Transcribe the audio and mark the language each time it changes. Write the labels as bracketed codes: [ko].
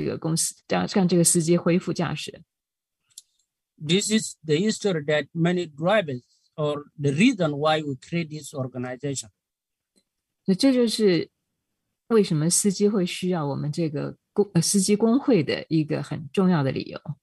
[zh] 所以当这个司机说他会去看医生，他会去找警察，他会去找律师告他们的时候，公司就害怕了，就又让这个司机恢复驾驶。 [en] This is the history that many drivers, or the reason why we create this organization. [zh] 那这就是为什么司机会需要我们这个司机工会的一个很重要的理由。